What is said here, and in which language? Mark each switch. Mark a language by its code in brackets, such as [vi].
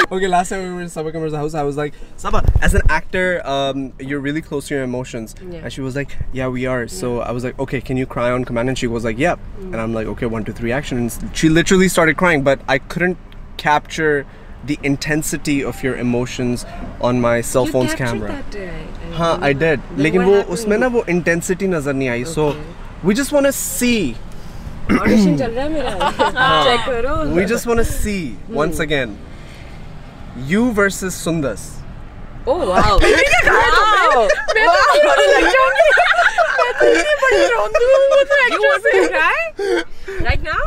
[en] Okay, last time we were in Saba Qamar's house, I was like, Saba, as an actor, you're really close to your emotions. Yeah. And she was like, yeah, we are. Yeah. So I was like, okay, can you cry on command? And she was like, yep. Mm. And I'm like, okay, 1, 2, 3, action. And she literally started crying, but I couldn't capture the intensity of your emotions on my cell you phone's camera. That day. I did. [hi] लेकिन वो उसमे ना वो intensity नज़र नहीं आई. [en] So we just want to see. We just want to see once again you versus Sundas. Oh wow. Right now,